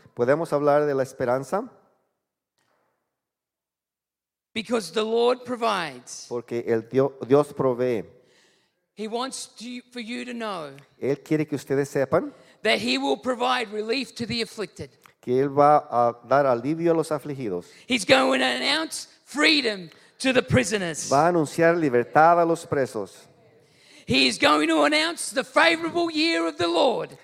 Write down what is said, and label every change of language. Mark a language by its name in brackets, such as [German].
[Spanish] Podemos hablar de la esperanza. [English] Because the Lord provides. [Spanish] Porque el Dios provee. [English] He wants for you to know. [Spanish] Él quiere que ustedes sepan. [English] That he will provide relief to the afflicted. [Spanish] Que él va a dar alivio a los afligidos. [English] He's going to announce freedom to the prisoners. [Spanish] Va a anunciar libertad a los presos. [English] He is going to announce the favorable year of the Lord.